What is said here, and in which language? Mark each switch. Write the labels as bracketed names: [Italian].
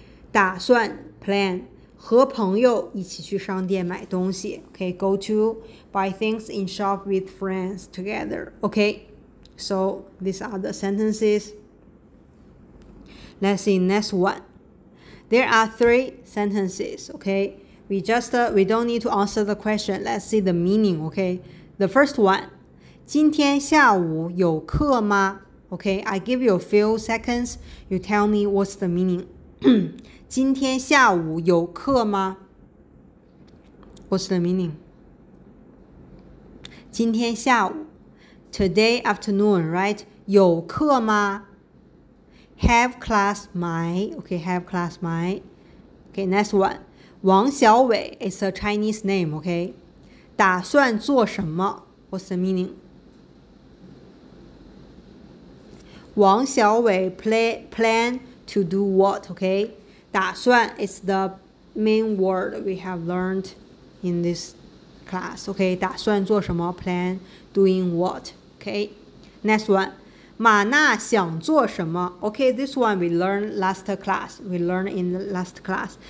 [Chinese] 打算 plan, 和朋友一起去商店买东西 [English] okay, go to buy things in shop with friends together, okay. So these are the sentences. Let's see next one. There are three sentences, okay. We don't need to answer the question. Let's see the meaning, okay? The first one, [Chinese] 今天下午有课吗? [English] Okay, I give you a few seconds. You tell me what's the meaning. [Chinese] 今天下午有课吗? [English] What's the meaning? 今天下午, today afternoon, right? [Chinese] 有课吗? [English] Have class, my. Okay, have class, my. Okay, next one. 王小伟 is a Chinese name, okay? [Chinese] 打算做什么? [English] What's the meaning? 王小伟 plan to do what, okay? 打算 is the main word we have learned in this class, okay? [Chinese] 打算做什么? [English] Plan doing what, okay? Next one, [Chinese] 马娜想做什么? [English] Okay, this one we learned last class. We learned in the last class.